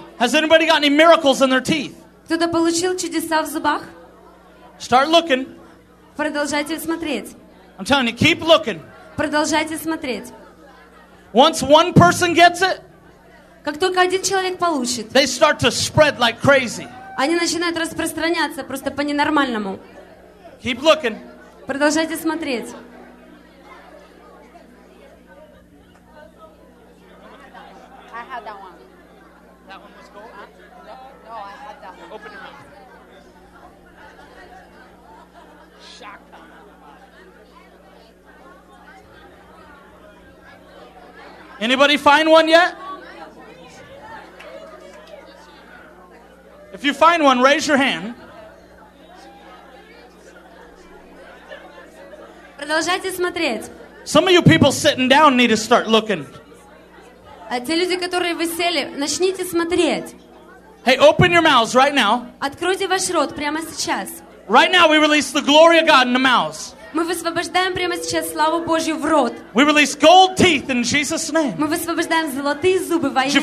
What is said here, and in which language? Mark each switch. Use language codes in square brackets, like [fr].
[en] Has anybody got any miracles in their teeth? [ru] Кто-то получил чудеса в зубах? [en] Start looking. [ru] Продолжайте смотреть. [en] I'm telling you, keep looking. [ru] Продолжайте смотреть. [en] Once one person gets it, [ru] как только один человек получит, [en] they start to spread like crazy. [ru] Они начинают распространяться просто по ненормальному. [en] Keep looking. [ru] Продолжайте смотреть. [en] Anybody find one yet? If you find one, raise your hand. [ru] Продолжайте смотреть. [en] Some of you people sitting down need to start looking. [ru] А те люди, которые вы сели, начните смотреть. [en] Hey, open your mouths right now. [ru] Откройте ваш рот прямо сейчас. [en] Right now we release the glory of God in the mouths. [ru] Мы высвобождаем прямо сейчас славу Божью в рот. [en] We release gold teeth in Jesus' name. [ru] Мы высвобождаем золотые зубы во имя Иисуса.